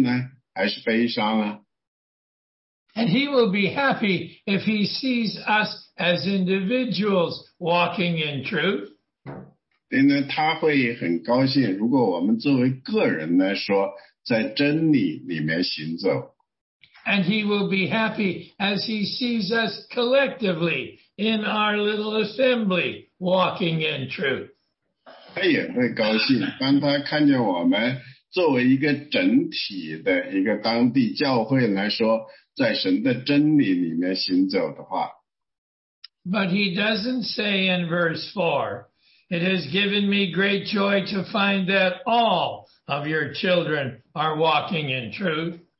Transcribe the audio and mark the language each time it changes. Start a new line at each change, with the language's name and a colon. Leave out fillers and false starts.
Chinese: 因为当神从天上往下看你的时候，当他看整个十六节教会的时候，他是高兴呢，还是悲伤啊？
English: And he will be happy if he sees us as individuals walking in truth.
Chinese: 对呢，他会很高兴，如果我们作为个人来说，在真理里面行走。
English: And he will be happy as he sees us collectively in our little assembly walking in truth.
Chinese: 他也会高兴，当他看见我们作为一个整体的一个当地教会来说， 在神的真理里面行走的话，
English: But he doesn't say in verse 4, it has given me great joy to find that all of your children are walking in truth.